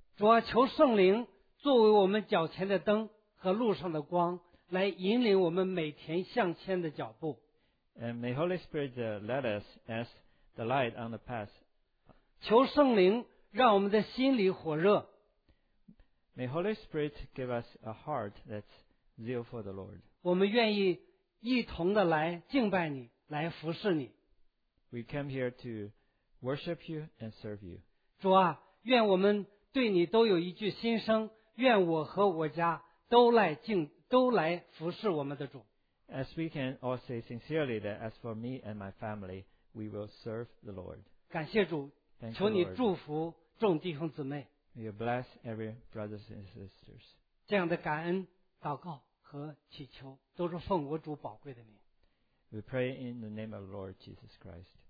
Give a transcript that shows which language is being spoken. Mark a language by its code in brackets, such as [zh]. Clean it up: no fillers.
[zh] 主啊，求圣灵作为我们脚前的灯和路上的光，来引领我们每天向前的脚步。 [en] And may Holy Spirit lead us as the light on the path. [zh] 求圣灵让我们的心里火热。 [en] May Holy Spirit give us a heart that's zeal for the Lord. [zh] 我们愿意一同的来敬拜你，来服侍你。 [en] We came here to worship you and serve you. [zh] 主啊，愿我们对你都有一句心声，愿我和我家都来服侍我们的主。 [en] As we can all say sincerely that as for me and my family, we will serve the Lord. [zh] 感谢主，求你祝福众弟兄姊妹。 [en] May you bless every brothers and sisters. [zh] 这样的感恩、祷告和祈求，都是奉我主宝贵的名。 [en] We pray in the name of the Lord Jesus Christ.